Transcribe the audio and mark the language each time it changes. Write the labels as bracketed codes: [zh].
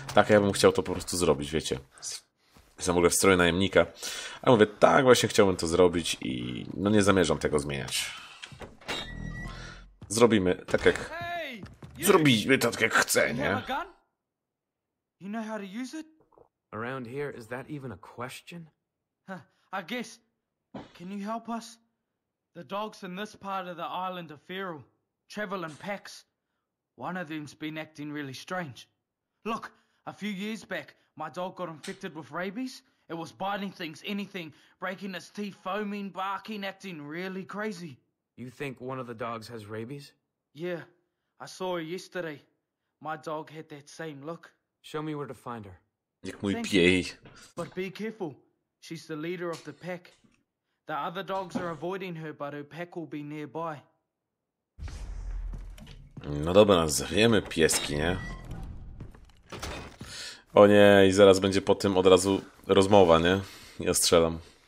[pl] Tak, ja bym chciał to po prostu zrobić, wiecie. Jestem w ogóle w stroju najemnika. A ja mówię, tak właśnie chciałbym to zrobić i no nie zamierzam tego zmieniać. Zrobimy tak jak... Zrobimy to tak jak chce, nie? [en] You know how to use it? Around here is that even a question? I guess. Can you help us? The dogs in this part of the island are feral, travel in packs. One of them's been acting really strange. Look, a few years back, my dog got infected with rabies. It was biting things, anything, breaking its teeth, foaming, barking, acting really crazy. You think one of the dogs has rabies? Yeah. I saw her yesterday. My dog had that same look. Show me where to find her. [pl] Jak mój piej. [en] But be careful. She's the leader of the pack. The other dogs are avoiding her, but her pack will be nearby. [pl] No dobra, zwiemy pieski, nie? O nie, i zaraz będzie po tym od razu rozmowa, nie? Ja strzelam.